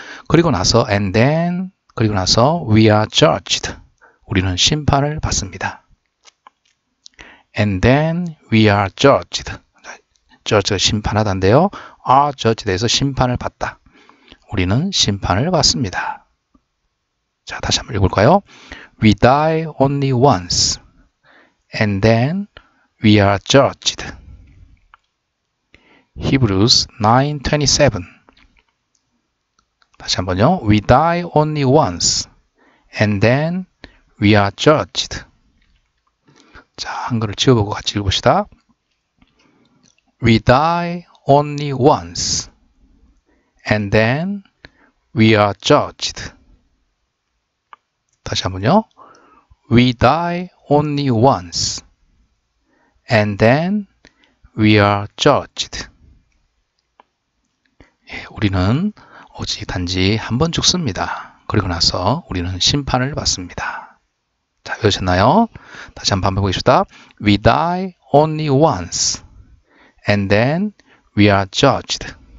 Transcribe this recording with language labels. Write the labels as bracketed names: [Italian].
[Korean] 그리고 나서 [English] and then 그리고 나서 we are judged. [Korean] 우리는 심판을 받습니다. [English] And then we are judged. [Korean] judge가 심판하다인데요. are judged에서 심판을 받다. 우리는 심판을 받습니다. 자, 다시 한번 읽을까요? [English] We die only once, and then we are judged. [Korean] Hebrews 9:27. 다시 한번요. [English] We die only once, and then we are judged. [Korean] 자, 한글을 지워보고 같이 읽읍시다. [English] We die only once, and then we are judged. [Korean] 다시 한번요. [English] We die only once, and then we are judged. [Korean] 예, 우리는 오직 단지 한번 죽습니다. 그리고 나서 우리는 심판을 받습니다. 자, 외우셨나요? 다시 한번 반복해 봅시다. [English] We die only once. And then we are judged.